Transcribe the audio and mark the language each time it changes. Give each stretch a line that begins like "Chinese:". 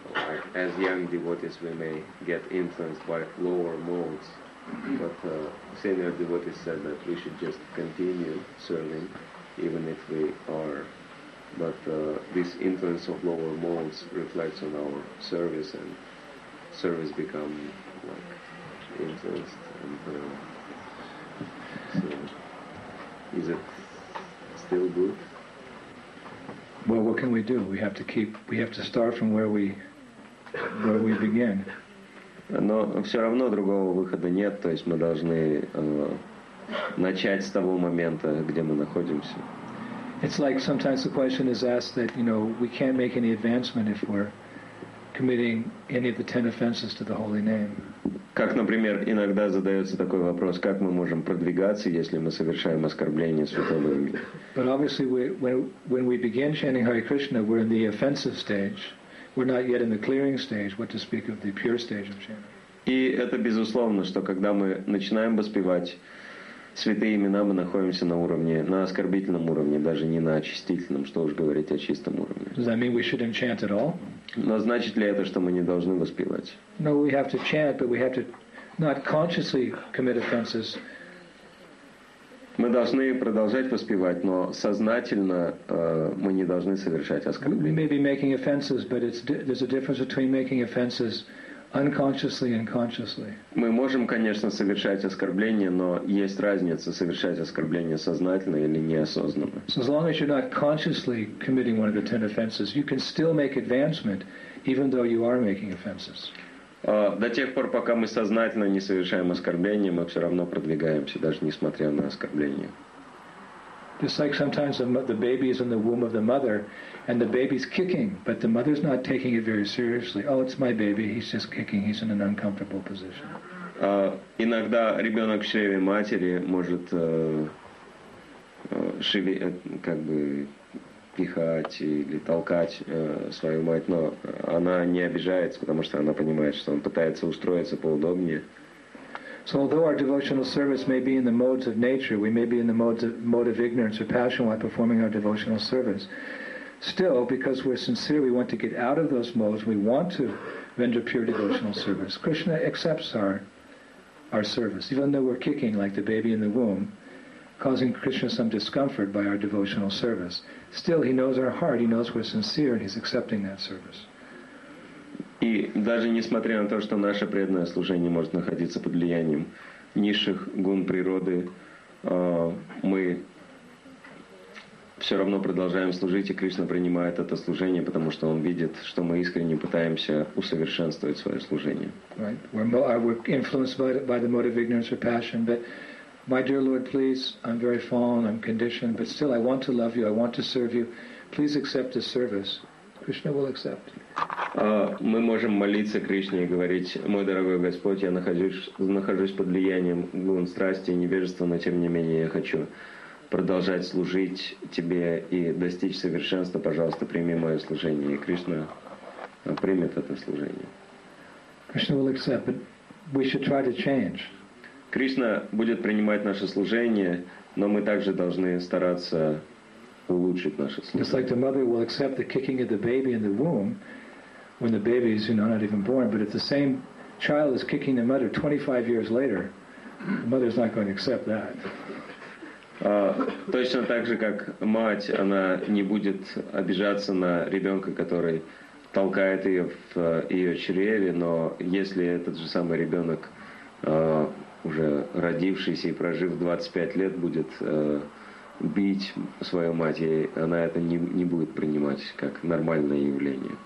English: like, as young devotees we may get influenced by lower modes, but senior devotees said that we should just continue serving even if we are, but this influence of lower modes reflects on our service, and service become like influenced, and so is it still good? Well, what can we do? We have to keep. We have to start from where we, begin.
Russian: Но все равно другого выхода нет. То есть мы должны начать с того момента, где мы находимся.
English: It's like sometimes the question is asked that, you know, we can't make any advancement if we're committing any of the 10 offenses to the holy name.
Russian: Как, например, иногда задается такой вопрос: как мы можем продвигаться, если мы совершаем оскорбление святого имени?
English: But obviously, when we begin chanting Hare Krishna, we're in the offensive stage. We're not yet in the clearing stage. What to speak of the pure stage of chanting?
Russian: И это безусловно, что когда мы начинаем воспевать святые имена, мы находимся на уровне, на оскорбительном уровне, даже не на очистительном, что уж говорить о чистом уровне.
English: Does that mean we shouldn't chant at all?
Russian: Но значит ли это, что мы не должны воспевать?
English: No, we have to chant, but we have to not consciously commit offenses.
Russian: Мы должны продолжать воспевать, но сознательно мы не должны совершать оскорбления.
English: We may be making offenses, but there's a difference between making offenses unconsciously and consciously.
Russian: Мы можем, конечно, совершать оскорбления, но есть разница, совершать оскорбления сознательно или неосознанно.
English: So as long as you're not consciously committing one of the 10 offenses, you can still make advancement, even though you are making offenses.
Russian: До тех пор, пока мы сознательно не совершаем оскорбления, мы все равно продвигаемся, даже несмотря на оскорбления.
English: Just like sometimes the baby is in the womb of the mother, and the baby's kicking, but the mother's not taking it very seriously. Oh, it's my baby. He's just kicking. He's in an uncomfortable position.
Russian: Иногда ребенок в чреве матери может как бы пихать или толкать свою мать, но она не обижается, потому что она понимает, что он пытается устроиться поудобнее.
English: So although our devotional service may be in the modes of nature, we may be in the mode of ignorance or passion while performing our devotional service, still, because we're sincere, we want to get out of those modes, we want to render pure devotional service. Krishna accepts our service, even though we're kicking like the baby in the womb, causing Krishna some discomfort by our devotional service. Still, he knows our heart, he knows we're sincere, and he's accepting that service.
Russian: И даже несмотря на то, что наше преданное служение может находиться под влиянием низших гун природы, мы все равно продолжаем служить, и Кришна принимает это служение, потому что он видит, что мы искренне пытаемся усовершенствовать свое служение.
English: We're influenced by the mode of ignorance or passion, but my dear Lord, please, I'm very fallen, I'm conditioned, but still I want to love you, I want to serve you, please accept this service. Krishna will accept.
Russian: Мы можем молиться Кришне и говорить: «Мой дорогой Господь, я нахожусь под влиянием гун страсти и невежества, но тем не менее я хочу продолжать служить Тебе и достичь совершенства. Пожалуйста, прими мое служение». И Кришна примет это служение.
English: Krishna will accept, but we should try to change.
Russian: Кришна будет принимать наше служение, но мы также должны стараться улучшить наше служение.
English: Just like the mother will accept the kicking of the baby in the womb, when the baby is, you know, not even born, but if the same child is kicking the mother 25 years later, the mother is not going to accept that.
Russian: Точно так же, как мать, она не будет обижаться на ребенка, который толкает ее в ее чреве, но если этот же самый ребенок, уже родившийся и прожив 25 лет, будет бить свою мать, и она это не будет принимать как нормальное явление.